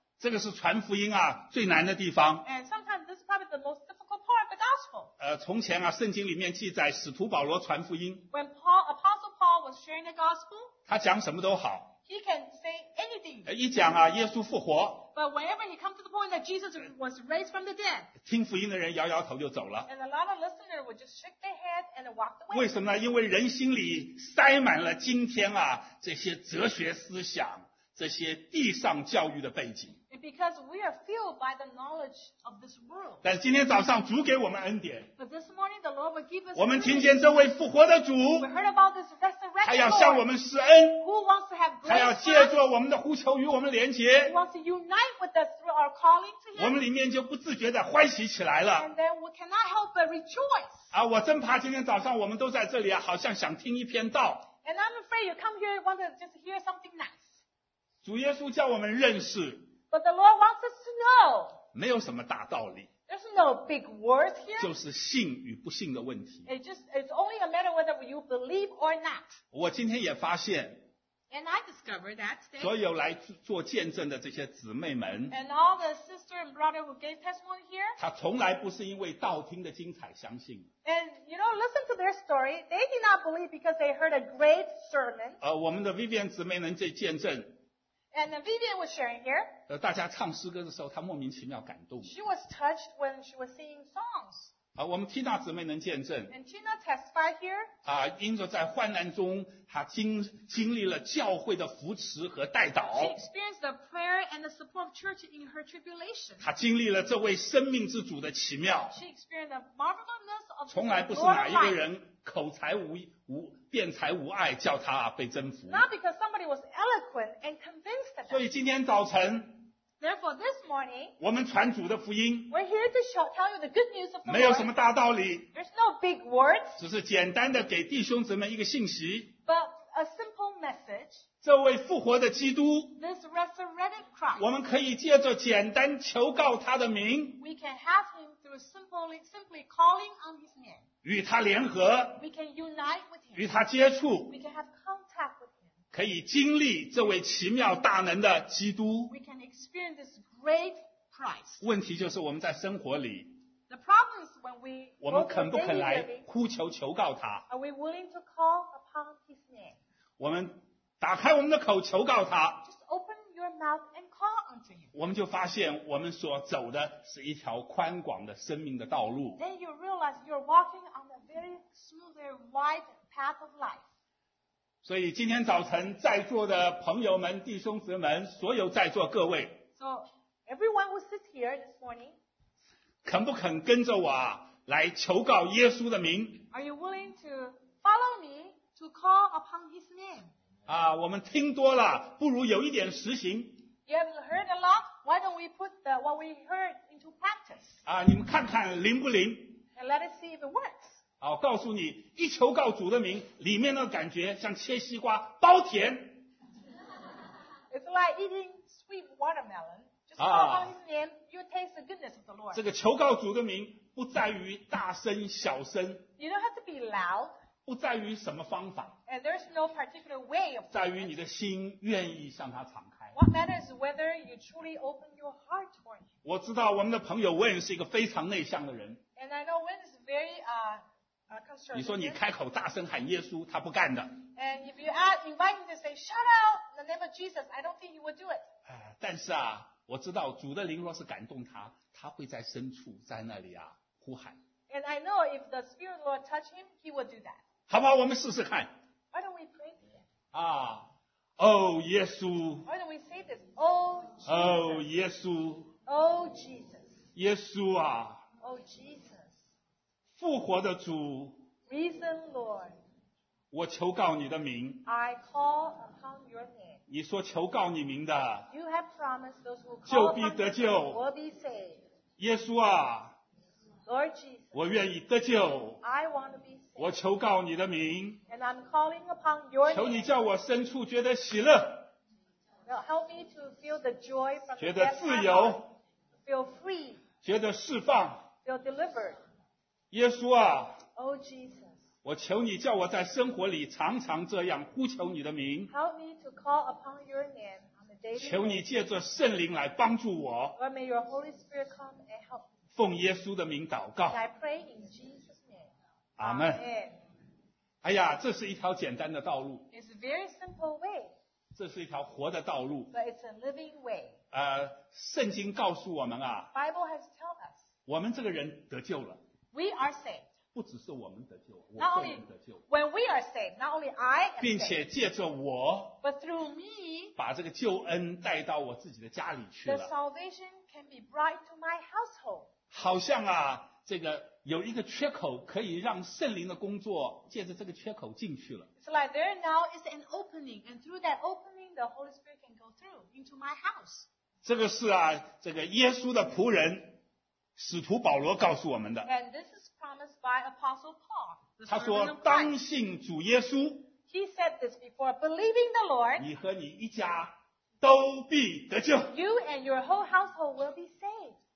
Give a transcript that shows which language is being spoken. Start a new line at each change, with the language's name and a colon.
Chinese: 这个是传福音啊最难的地方。
English: And sometimes this is probably the most difficult part of the gospel.
Chinese: 从前啊圣经里面记载使徒保罗传福音。
English: When Paul, Apostle Paul was sharing the gospel,
Chinese: 他讲什么都好。
English: He can say anything.
Chinese: 一讲啊，耶稣复活。
English: But whenever he comes to the point that Jesus was raised from the dead,
Chinese: 听福音的人摇摇头就走了。
English: And a lot of listeners would just shake their head and walk away.
Chinese: 为什么呢？因为人心里塞满了今天啊这些哲学思想，这些地上教育的背景。
English: Because we are filled by the knowledge of this world.
Chinese: 但今天早上主给我们恩典。
English: But this morning the Lord will give us.
Chinese: 我们听见这位复活的主。
English: We heard about this resurrected Lord.
Chinese: 他要向我们施恩。
English: Who wants to have grace?
Chinese: 他要借助我们的呼求与我们连结。
English: He wants to unite with us through our calling to him.
Chinese: 我们里面就不自觉的欢喜起来了。
English: And then we cannot help but rejoice.
Chinese: 啊，我真怕今天早上我们都在这里啊，好像想听一篇道。
English: And I'm afraid you come here want to just hear something nice.
Chinese: 主耶稣叫我们认识。
English: But the Lord wants us to know.
Chinese: 没有什么大道理。
English: There's no big words here.
Chinese: 就是信与不信的问题。
English: It's only a matter whether you believe or not.
Chinese: 我今天也发现。
English: And I discovered that today.
Chinese: 所有来做见证的这些姊妹们。
English: And all the sister and brother who gave testimony here.
Chinese: 他从来不是因为道听的精彩相信。
English: And you know, listen to their story. They did not believe because they heard a great sermon.
Chinese: 我们的 Vivian 姊妹能这见证。
English: And then Vivian was sharing here.
Chinese: 大家唱诗歌的时候，她莫名其妙感动。
English: She was touched when she was singing songs.
Chinese: 我们 Tina 姊妹能见证。
English: And Tina testified here.
Chinese: 因着在患难中，她经历了教会的扶持和带导。
English: She experienced the prayer and the support of church in her tribulation.
Chinese: 她经历了这位生命之主的奇妙。
English: She experienced the marvelousness of.
Chinese: 从来不是哪一个人口才无辩才无碍叫他被征服。
English: Not because somebody was eloquent and convinced them.
Chinese: 所以今天早晨。
English: Therefore, this morning,
Chinese: 我们传主的福音。
English: We're here to tell you the good news of the Lord.
Chinese: 没有什么大道理。
English: There's no big words.
Chinese: 只是简单的给弟兄姊妹一个信息。
English: But a simple message.
Chinese: 这位复活的基督。
English: This resurrected Christ.
Chinese: 我们可以借着简单求告他的名。
English: We can have him through simply calling on his name.
Chinese: 与他联合，
English: we can unite with him.
Chinese: 与他接触，
English: we can have contact with him.
Chinese: 可以经历这位奇妙大能的基督。
English: We can experience this great price.
Chinese: 问题就是我们在生活里。
English: The problem is when we.
Chinese: 我们肯不肯来呼求求告他
English: ？Are we willing to call upon His name?
Chinese: 我们打开我们的口求告他。
English: Just open your mouth and call unto Him.
Chinese: 我们就发现我们所走的是一条宽广的生命的道路。
English: Then you realize you're walking on a very smooth, very wide path of life.
Chinese: 所以今天早晨在座的朋友们、弟兄姊妹们，所有在座各位
English: ，So everyone who sits here this morning，
Chinese: 肯不肯跟着我来求告耶稣的名
English: ？Are you willing to follow me to call upon His name？
Chinese: 啊，我们听多了，不如有一点实行。
English: You have heard a lot. Why don't we put the, what we heard into practice？
Chinese: 啊，你们看看灵不灵
English: ？And let us see if it works。
Chinese: 好，告诉你，一求告主的名，里面的感觉像切西瓜，包甜。
English: It's like eating sweet watermelon. Just call on His name, you taste the goodness of the Lord.
Chinese: 这个求告主的名不在于大声小声。
English: You don't have to be loud.
Chinese: 不在于什么方法。
English: And there's no particular way of.
Chinese: 在于你的心愿意向他敞开。
English: What matters is whether you truly open your heart toward Him.
Chinese: 我知道我们的朋友 Wayne 是一个非常内向的人。
English: And I know Wayne is very
Chinese: 你说你开口大声喊耶稣，他不干的。
English: And if you ask, invite him to say, "Shout out the name of Jesus," I don't think he would do it.
Chinese: 但是啊，我知道主的灵若是感动他，他会在深处在那里啊呼喊。
English: And I know if the Spirit of the Lord touch him, he would do that.
Chinese: 好不好？我们试试看。
English: Why don't we pray this?
Chinese: 啊，Oh, 耶稣。
English: Why don't we say this? Oh, Jesus.
Chinese: Oh, 耶稣。
English: Oh, Jesus.
Chinese: 耶稣啊。
English: Oh, Jesus.
Chinese: 复活的主
English: Risen Lord,
Chinese: 我求告你的名
English: I call upon your name.
Chinese: 你说求告你名的
English: you have promised those who call
Chinese: 就必得救
English: will be saved.
Chinese: 耶稣啊
English: Lord Jesus,
Chinese: 我愿意得救
English: I want to be saved.
Chinese: 我求告你的名
English: and I'm calling upon your name.
Chinese: 求你叫我深处觉得喜乐
English: Now help me to feel the joy from
Chinese: 觉得自由
English: feel free.
Chinese: 觉得释放
English: feel delivered.
Chinese: 耶稣啊
English: ，Oh Jesus，
Chinese: 我求你叫我在生活里常常这样呼求你的名。
English: Help me to call upon your name on the daily.
Chinese: 求你借着圣灵来帮助我。
English: Lord, may your Holy Spirit come and help.
Chinese: 奉耶稣的名祷告。
English: I pray in Jesus' name.
Chinese: 阿门。哎呀，这是一条简单的道路。
English: It's a very simple way.
Chinese: 这是一条活的道路。
English: But it's a living way.
Chinese: 圣经告诉我们啊。
English: Bible has told us.
Chinese: 我们这个人得救了。
English: We are saved.
Chinese: 不只是我们得救，我个人得救。
English: When we are saved, not only I am saved.
Chinese: 并且借着我
English: ，but through me，
Chinese: 把这个救恩带到我自己的家里去了。
English: The salvation can be brought to my household.
Chinese: 好像啊，这个有一个缺口，可以让圣灵的工作借着这个缺口进去了。
English: It's like there now is an opening, and through that opening, the Holy Spirit can go through into my house.
Chinese: 这个是啊，这个耶稣的仆人。使徒保罗告诉我们的
English: And this is promised by Apostle Paul, the servant of Christ.
Chinese: 他说当信主耶稣
English: He said this before, believing the Lord,
Chinese: 你和你一家都必得救
English: You and your whole household will be saved.